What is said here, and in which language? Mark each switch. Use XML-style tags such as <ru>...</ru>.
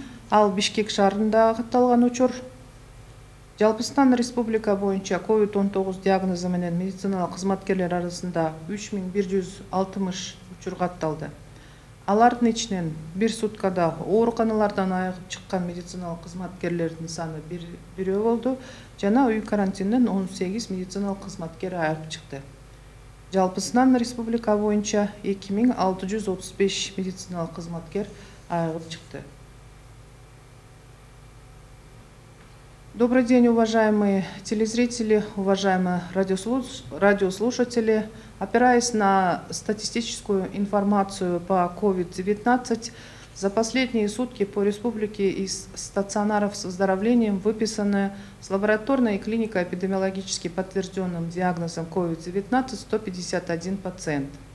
<ky>Ал Бишкек шаарында катталган учур. Жалпысынан республика боюнча COVID-19 диагнозу менен медициналык кызматкерлер арасында 3160 учур катталды. Алардын ичинен бир суткада ооруканалардан айыгып чыккан медициналык кызматкерлердин саны 1 болду жана үй карантинден 18 медициналык кызматкер айыгып чыкты.</ky> <kk>Жалпысынан республика бойынша 2635 медициналық қызматкер айығып шықты.</kk> <ru>Добрый день, уважаемые телезрители, уважаемые радиослушатели. Опираясь на статистическую информацию по COVID-19, за последние сутки по республике из стационаров с выздоровлением выписаны с лабораторной клиникой эпидемиологически подтвержденным диагнозом COVID-19 151 пациент.</ru>